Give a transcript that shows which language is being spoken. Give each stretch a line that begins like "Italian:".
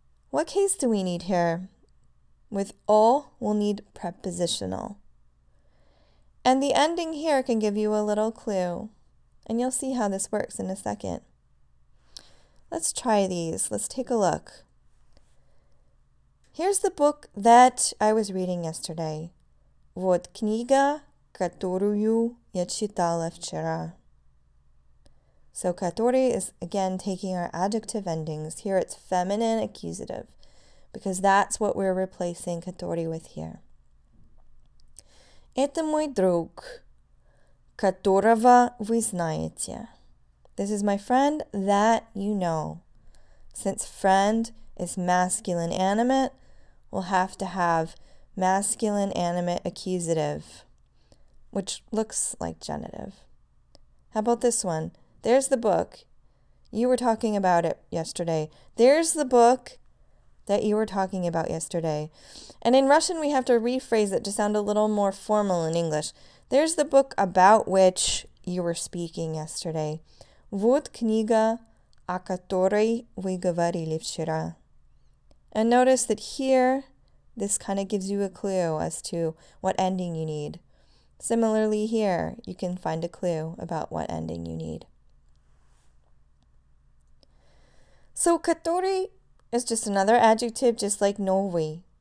English: What case do we need here? With o, we'll need prepositional. And the ending here can give you a little clue. And you'll see how this works in a second. Let's try these. Let's take a look. Here's the book that I was reading yesterday.
Russian: Вот книга, которую я читала вчера.
English: So, который is, again, taking our adjective endings. Here it's feminine accusative, because that's what we're replacing который with here.
Russian: Это мой друг, которого вы знаете.
English: This is my friend that you know. Since friend is masculine animate, we'll have to have masculine animate accusative, which looks like genitive. How about this one? There's the book. You were talking about it yesterday. There's the book that you were talking about yesterday. And in Russian, we have to rephrase it to sound a little more formal in English. There's the book about which you were speaking yesterday.
Russian: Вот книга, о которой вы говорили вчера.
English: And notice that here, this kind of gives you a clue as to what ending you need. Similarly here, you can find a clue about what ending you need. So, который is just another adjective, just like новый.